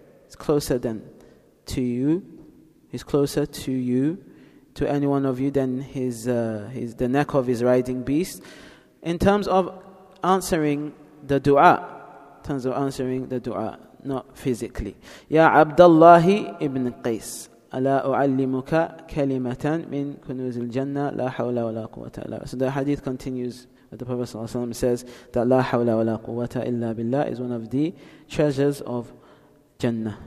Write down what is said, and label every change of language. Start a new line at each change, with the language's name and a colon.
English: It's closer than to you. He's closer to you, to any one of you, than his the neck of his riding beast. In terms of answering the dua. In terms of answering the dua, not physically. Ya Abdullah ibn Qais.
Arabic: ألا أعلمك كلمة من كنوز الجنة لا حول ولا قوة إلا بالله.
English: So the hadith continues that the Prophet
Arabic: صلى الله عليه وسلم
English: says that
Arabic: لا حول ولا قوة إلا بالله
English: is one of the treasures of Jannah.